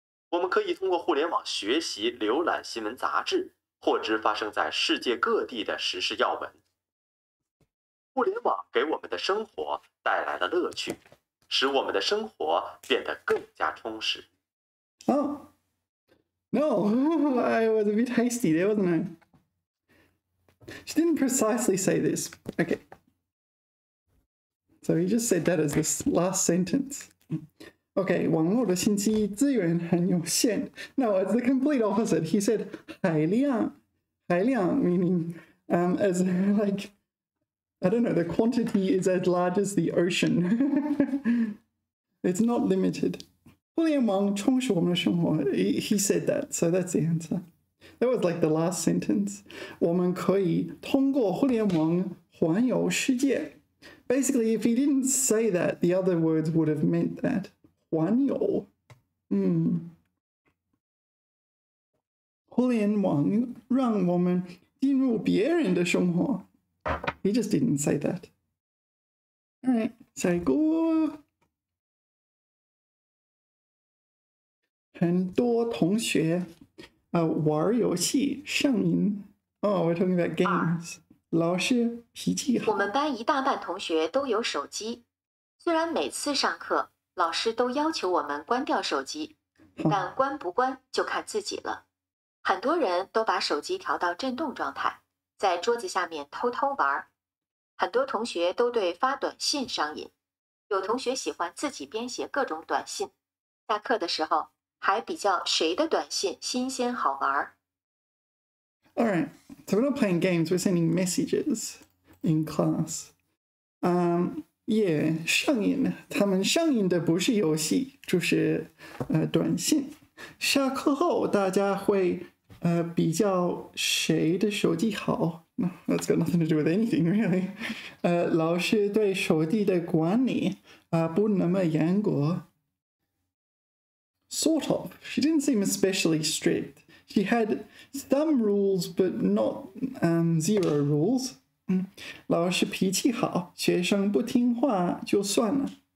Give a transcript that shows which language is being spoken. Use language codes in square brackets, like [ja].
[zh] 我们可以通过互联网学习、浏览新闻杂志，获知发生在世界各地的时事要闻。互联网给我们的生活带来了乐趣，使我们的生活变得更加充实。 [en] Oh, no, I was a bit hasty there, wasn't I? She didn't precisely say this. Okay. So he just said that as this last sentence. Okay, [zh] 网络的信息资源很有限。 [en] No, it's the complete opposite. He said 海量 meaning as like, I don't know, the quantity is as large as the ocean. It's not limited. [zh] 互联网充实我们的生活， [en] he said that, so that's the answer. That was like the last sentence. [zh] 我们可以通过互联网环游世界。 [en] Basically, if he didn't say that, the other words would have meant that. [zh] 环游，互联网让我们进入别人的生活。 [en] He just didn't say that. All right, [zh] 下一个。很多同学玩游戏上瘾。 [en] Oh, we're talking about [zh] 二， [en] games。 [zh] 老师脾气我好。们班一大半同学都有手机，虽然每次上课老师都要求我们关掉手机，但关不关就看自己了。很多人都把手机调到震动状态，在桌子下面偷偷玩。很多同学都对发短信上瘾，有同学喜欢自己编写各种短信，下课的时候还比较谁的短信新鲜好玩。 [en] All right, so we're not playing games, we're sending messages in class. [zh] Yeah, 上瘾，他们上瘾的不是游戏，就是短信。下课后大家会比较谁的手机好？ [en] That's got nothing to do with anything, really. [zh] 老师对手机的管理不那么严格。 [en] Sort of. She didn't seem especially strict. She had some rules, but not zero rules. [zh] 老师脾气好，学生不听话就算了。